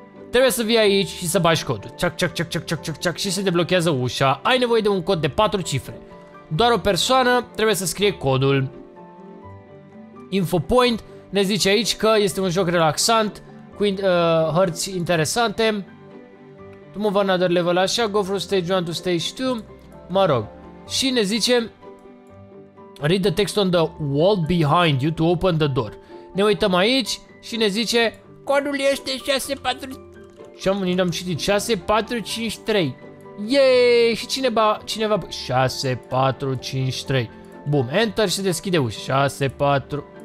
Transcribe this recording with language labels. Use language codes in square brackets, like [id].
[ro] Trebuie să vii aici și să bagi codul. Ciac, ciac, ciac, ciac, ciac, ciac, ciac, și se deblochează ușa. Ai nevoie de un cod de 4 cifre. Doar o persoană trebuie să scrie codul. Infopoint ne zice aici că este un joc relaxant, cu hărți interesante. [en] To move another level [ro] așa, [en] go from stage 1 to stage 2, [ro] mă rog. Și ne zice, [en] read the text on the wall behind you to open the door. [ro] Ne uităm aici și ne zice, codul este 6453. Yay! Și cineva 6453. Bum, enter și deschide ușa. 64.